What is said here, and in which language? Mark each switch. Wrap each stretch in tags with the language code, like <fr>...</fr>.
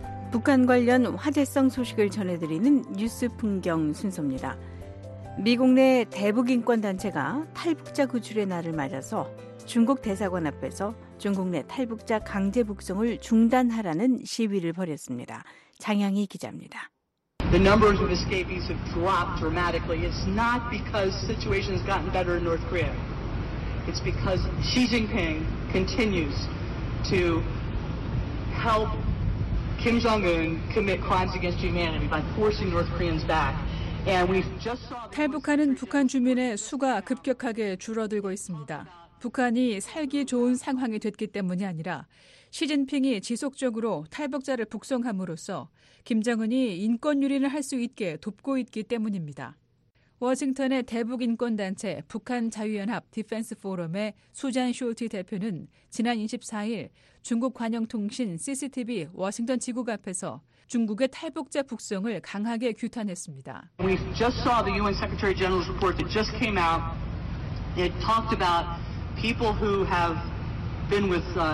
<ko>북한 관련 화제성 소식을 전해드리는 뉴스 풍경 순서입니다. 미국 내 대북인권단체가 탈북자 구출의 날을 맞아서 중국 대사관 앞에서 중국 내 탈북자 강제 북송을 중단하라는 시위를 벌였습니다. 장향희 기자입니다.</ko> <en>The numbers of escapees have dropped dramatically. It's not because the situation has gotten better in North Korea. It's because Xi Jinping continues to help Kim Jong-un commit crimes against humanity by forcing North Koreans back. And we just saw</en> <ko>탈북하는 북한 주민의 수가 급격하게 줄어들고 있습니다. 북한이 살기 좋은 상황이 됐기 때문이 아니라 시진핑이 지속적으로 탈북자를 북송함으로써 김정은이 인권유린을 할 수 있게 돕고 있기 때문입니다. 워싱턴의 대북인권단체 북한자유연합 디펜스 포럼의 수잔 쇼티 대표는 지난 24일 중국 관영통신 CCTV 워싱턴 지구 앞에서 중국의 탈북자 북송을 강하게 규탄했습니다.</ko> <en>We just saw the UN Secretary General's report that just came out. It talked about people who have been with</en>